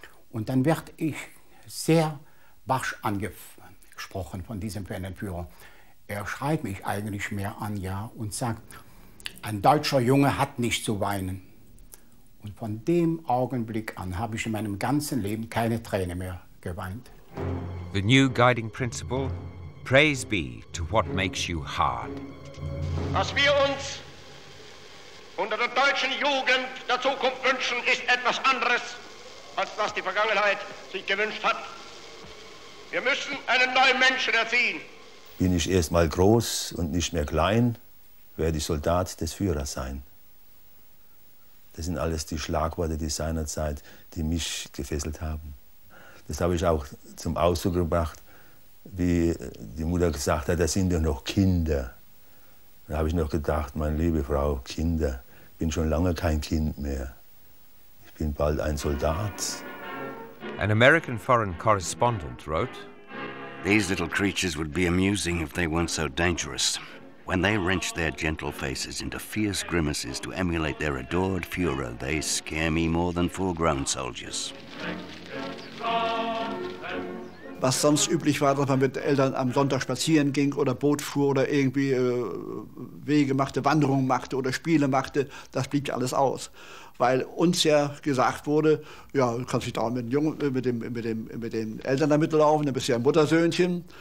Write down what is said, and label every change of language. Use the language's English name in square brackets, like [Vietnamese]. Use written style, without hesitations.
[German] Und dann werde ich sehr barsch angesprochen von diesem Fähnenführer. Er schreit mich eigentlich mehr an, ja, und sagt, ein deutscher Junge hat nicht zu weinen. Und von dem Augenblick an habe ich in meinem ganzen Leben keine Träne mehr geweint. [English] The new guiding principle, praise be to what makes you hard. [German] Was wir uns unter der deutschen Jugend der Zukunft wünschen, ist etwas anderes, als was die Vergangenheit sich gewünscht hat. Wir müssen einen neuen Menschen erziehen. Bin ich erst mal groß und nicht mehr klein, werde ich Soldat des Führers sein. Das sind alles die Schlagworte, die seinerzeit, die mich gefesselt haben. Das habe ich auch zum Ausdruck gebracht, wie die Mutter gesagt hat, das sind doch noch Kinder. Da habe ich noch gedacht, meine liebe Frau, Kinder, ich bin schon lange kein Kind mehr. Ich bin bald ein Soldat. [English] An American foreign correspondent wrote, these little creatures would be amusing if they weren't so dangerous. When they wrench their gentle faces into fierce grimaces to emulate their adored Führer, they scare me more than full-grown soldiers. [German] Was sonst üblich war, dass man mit Eltern am Sonntag spazieren ging oder Boot fuhr oder irgendwie Wege machte, Wanderungen machte oder Spiele machte, das blieb alles aus. Weil uns ja gesagt wurde, ja, du kannst dich da auch mit den Jungen, mit den Eltern damit laufen, dann bist du ja ein Muttersöhnchen.